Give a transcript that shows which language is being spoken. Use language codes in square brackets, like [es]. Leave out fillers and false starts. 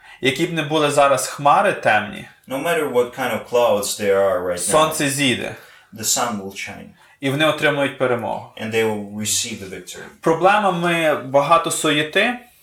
[uk] які б не були зараз хмари темні, [en] no matter what kind of clouds there are right [uk] сонце [en] now, [uk] зійде, [en] the sun will shine. [uk] І вони отримують перемогу. [en] And they will receive the victory. [uk] Проблема ми багато суєти.